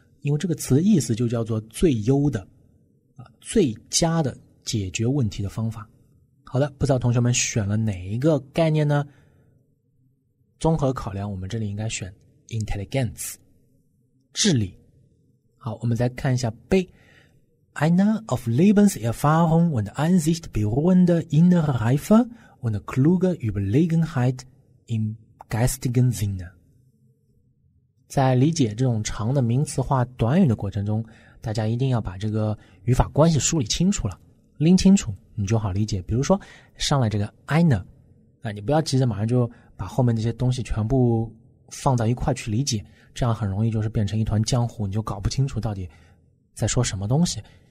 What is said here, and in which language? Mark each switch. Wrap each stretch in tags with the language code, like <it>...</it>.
<zh>因为这个词的意思就叫做最优的、最佳的解决问题的方法。好的，不知道同学们选了哪一个概念呢？综合考量，我们这里应该选 intelligence， 智力。好，我们再看一下 B。</zh> <de>Eine auf Lebenserfahrung und Einsicht beruhende innere Reife und kluge Überlegenheit im geistigen Sinne。</de> <zh>在理解这种长的名词化短语的过程中，大家一定要把这个语法关系梳理清楚了，拎清楚，你就好理解。比如说，上来这个 Eine， 你不要急着马上就把后面那些东西全部放到一块去理解，这样很容易就是变成一团浆糊，你就搞不清楚到底在说什么东西。</zh>